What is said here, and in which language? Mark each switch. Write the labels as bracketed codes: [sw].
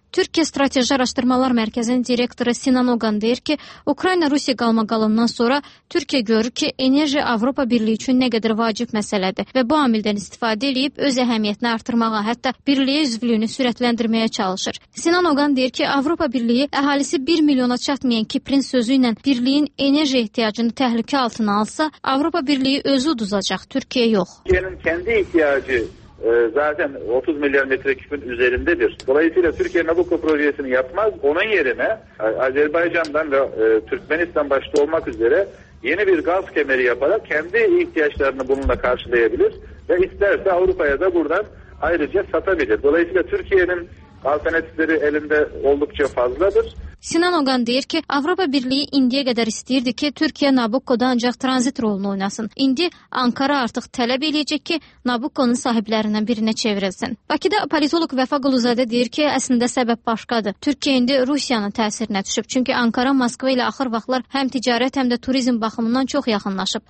[az] Türkiyə Strateji Araşdırmalar Mərkəzinin direktoru Sinan Oğan deyir ki, Ukrayna-Rusiya qalmaqalından sonra Türkiyə görür ki, enerji Avropa Birliyi üçün nə qədər vacib məsələdir və bu amildən istifadə edib öz əhəmiyyətini artırmağa, hətta birliyə üzvlüyünü sürətləndirməyə çalışır. Sinan Oğan deyir ki, Avropa Birliyi əhalisi 1 milyona çatmayan Kiprin sözü ilə birliyin enerji ehtiyacını təhlükə altına alsa, Avropa Birliyi özü uduzacaq, Türkiyə yox. Türkiyənin kəndi ehtiyacı [tr] zaten 30 milyar metreküpün üzerindedir. Dolayısıyla Türkiye Nabucco projesini yapmaz. Onun yerine Azerbaycan'dan ve Türkmenistan başta olmak üzere yeni bir gaz kemeri yaparak kendi ihtiyaçlarını bununla karşılayabilir ve isterse Avrupa'ya da buradan ayrıca satabilir. Dolayısıyla Türkiye'nin alternatifleri elinde oldukça fazladır. [az] Sinan Ogan deyir ki, Avropa Birliği indiyə qədər istəyirdi ki, Türkiyə Nabucco'da ancaq transit rolunu oynasın. İndi Ankara artıq tələb eləyəcək ki, Nabucco'nun sahiblərindən birinə çevrilsin. Bakıda politolog Vəfa Quluzadə deyir ki, əslində səbəb başqadır. Türkiyə indi Rusiyanın təsirinə düşüb, çünki Ankara Moskva ilə axır vaxtlar həm ticarət, həm də turizm baxımından çox yaxınlaşıb.